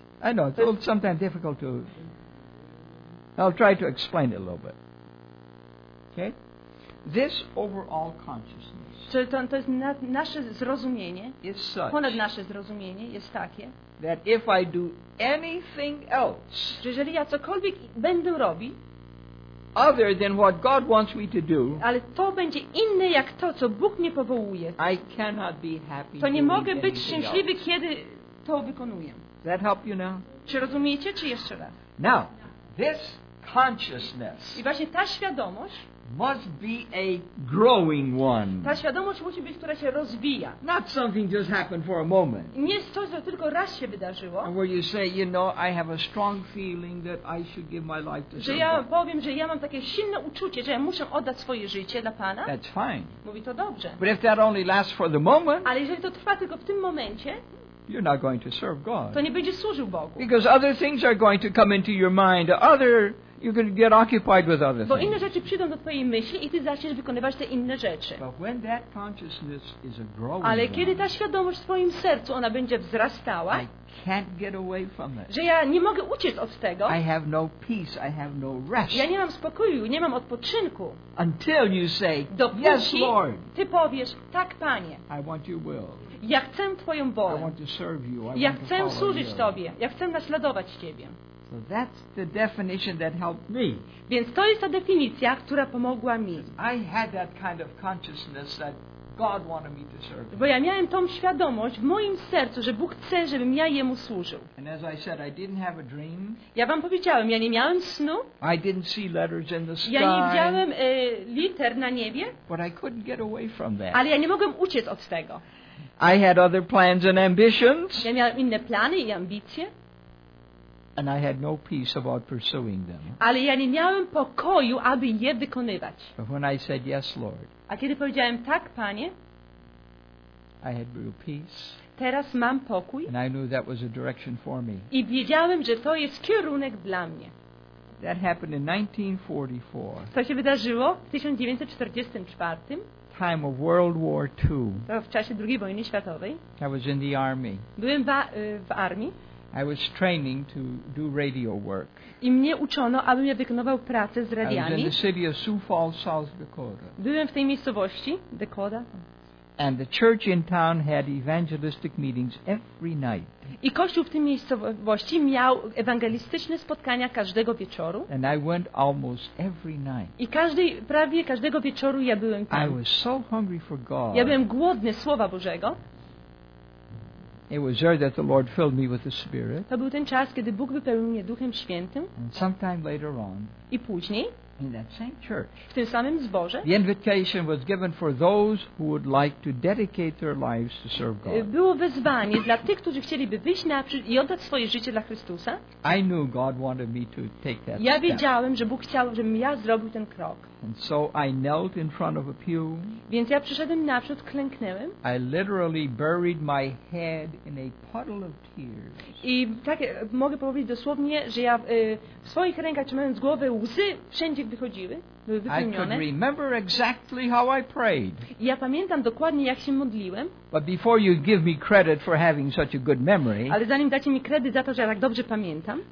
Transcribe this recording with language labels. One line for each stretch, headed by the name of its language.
English: I know, it's sometimes difficult to. I'll try to explain it a little bit. Okay? This overall consciousness.
Polish: Czyli to jest nasze zrozumienie.
English: Is such.
Polish: Ponad nasze zrozumienie jest takie.
English: That if I do anything else.
Polish: Jeżeli ja cokolwiek będę robił.
English: other than what God wants me to do,
Polish: ale to będzie inne jak to, co Bóg mnie powołuje,
English: I cannot be happy.
Polish: To nie mogę być szczęśliwy, kiedy to wykonuję.
English: Does that help you now?
Polish: Czy rozumiecie, czy jeszcze raz?
English: Now, this consciousness.
Polish: I właśnie ta świadomość.
English: Must be a growing one.
Polish: Ta świadomość musi być, która się rozwija.
English: Not something just happened for a moment.
Polish: Nie jest coś, co tylko raz się wydarzyło.
English: And where you say, you know, I have a strong feeling that I should give my life to.
Polish: Że ja powiem, że ja mam takie silne uczucie, że ja muszę oddać swoje życie dla Pana.
English: That's fine.
Polish: Mówi to dobrze.
English: But if that only lasts for the moment.
Polish: Ale jeżeli to trwa tylko w tym momencie.
English: You're not going to serve God.
Polish: To nie będzie służył Bogu.
English: Because other things are going to come into your mind. Other You can get occupied with other things.
Polish: Bo inne rzeczy przyjdą do twojej myśli i ty zaczniesz wykonywać te inne rzeczy.
English: But when that consciousness is a growing
Polish: Ale kiedy ta świadomość w twoim sercu ona będzie wzrastała,
English: I can't get away from it.
Polish: Że ja nie mogę uciec od tego.
English: I have no peace, I have no rest.
Polish: Ja nie mam spokoju, nie mam odpoczynku.
English: Until you say,
Polish: Dopóki
English: yes, Lord.
Polish: Ty powiesz, tak, Panie.
English: I want your will.
Polish: Ja chcę twoją wolę.
English: I want to serve you. I
Polish: ja
English: want
Polish: chcę
English: to
Polish: służyć
English: you.
Polish: Tobie. Ja chcę naśladować Ciebie.
English: So that's the definition that helped me.
Polish: Więc to jest ta definicja, która pomogła mi.
English: I had that kind of consciousness that God wanted me to serve.
Polish: Bo ja miałem tą świadomość w moim sercu, że Bóg chce, żebym ja jemu służył.
English: And as I said, I didn't have a dream.
Polish: Ja wam powiedziałem, ja nie miałem snu.
English: I didn't see letters in the sky.
Polish: Ja nie widziałem liter na niebie.
English: But I couldn't get away from that.
Polish: Ale ja nie mogłem uciec od tego.
English: I had other plans and ambitions.
Polish: Ja miałem inne plany i ambicje.
English: And I had no peace about pursuing them.
Polish: Ale ja nie miałem pokoju, aby je wykonywać.
English: But when I said yes, Lord,
Polish: a kiedy powiedziałem tak, Panie,
English: I had real peace.
Polish: Teraz mam pokój.
English: And I knew that was a direction for me.
Polish: I wiedziałem, że to jest kierunek dla mnie.
English: That happened in 1944.
Polish: To się wydarzyło w 1944.
English: Time of World War II.
Polish: To w czasie II wojny światowej.
English: I was in the army.
Polish: Byłem w armii.
English: I was training to do radio work.
Polish: I mnie uczono, abym ja wykonywał pracę z radiami.
English: I was in the city of Sioux Falls, South Dakota.
Polish: Byłem w tej miejscowości, Dakota.
English: And the church in town had evangelistic meetings every night.
Polish: I kościół w tej miejscowości miał ewangelistyczne spotkania każdego wieczoru.
English: And I went almost every night.
Polish: I prawie każdego wieczoru ja byłem tam.
English: I was so hungry for God.
Polish: Ja byłem głodny Słowa Bożego.
English: It was there that the Lord filled me with the Spirit.
Polish: To był ten czas, kiedy Bóg wypełnił mnie Duchem Świętym.
English: And sometime later on,
Polish: i później,
English: in that same church,
Polish: w tym samym zborze,
English: the invitation was given for those who would like to dedicate their lives to serve God.
Polish: Było wezwanie dla tych, którzy chcieliby wyjść naprzód i oddać swoje życie dla Chrystusa.
English: I knew God wanted me to take that.
Polish: Ja wiedziałem, że Bóg chciał, żebym ja zrobił ten krok.
English: And so I knelt in front of a pew.
Polish: Więc ja przyszedłem naprzód, klęknęłem.
English: I literally buried my head in a puddle of tears.
Polish: I tak mogę powiedzieć dosłownie, że ja w swoich rękach trzymając głowę, łzy wszędzie wychodziły, były wypełnione.
English: I could remember exactly how I prayed.
Polish: Ja pamiętam dokładnie, jak się modliłem.
English: But before you give me credit for having such a good memory,
Polish: ale zanim dacie mi kredyt za to, że ja tak dobrze pamiętam,